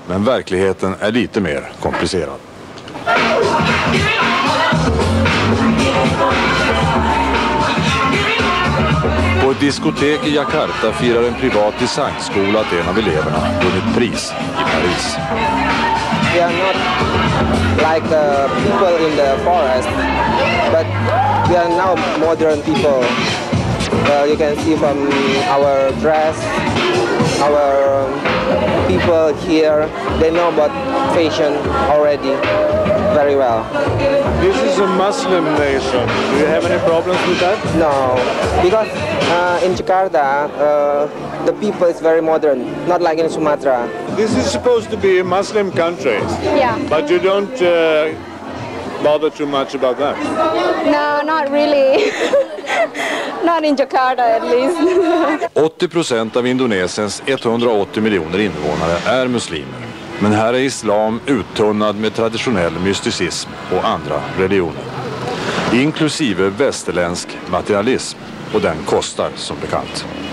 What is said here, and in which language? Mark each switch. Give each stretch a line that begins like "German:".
Swedish: Men verkligheten är lite mer komplicerad. På ett diskotek i Jakarta firar en privat designskola att en av eleverna vunnit pris i Paris.
English: We are not like the people in the forest, but we are now modern people. You can see from our dress, our people here, they know about fashion already very well. This is a Muslim nation. Do you have any problems with that? No, because in Jakarta, the people is very modern, not like in Sumatra. This is supposed to be a Muslim country. Yeah. But you don't bother too much about that? No, not really. Not in Jakarta, at least.
Swedish: 80% av Indonesiens 180 miljoner invånare är muslimer. Men här är islam uttunnad med traditionell mysticism och andra religioner. Inklusive västerländsk materialism. Och den kostar, som bekant.